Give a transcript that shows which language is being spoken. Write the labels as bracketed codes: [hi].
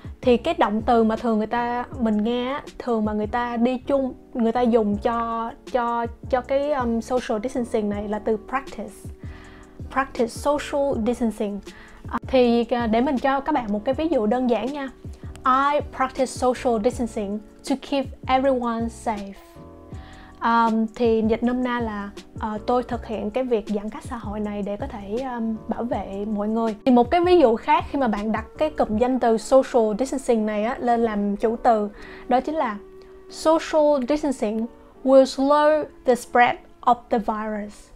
[vi] Thì cái động từ mà thường người ta mình nghe thường mà người ta đi chung người ta dùng cho cái social distancing này là từ [en] practice social distancing. [vi] Thì để mình cho các bạn một cái ví dụ đơn giản nha. [en] I practice social distancing to keep everyone safe. [vi] Thì dịch nôm na là tôi thực hiện cái việc giãn cách xã hội này để có thể bảo vệ mọi người. Thì một cái ví dụ khác khi mà bạn đặt cái cụm danh từ [en] social distancing này á, lên làm chủ từ, đó chính là social distancing will slow the spread of the virus.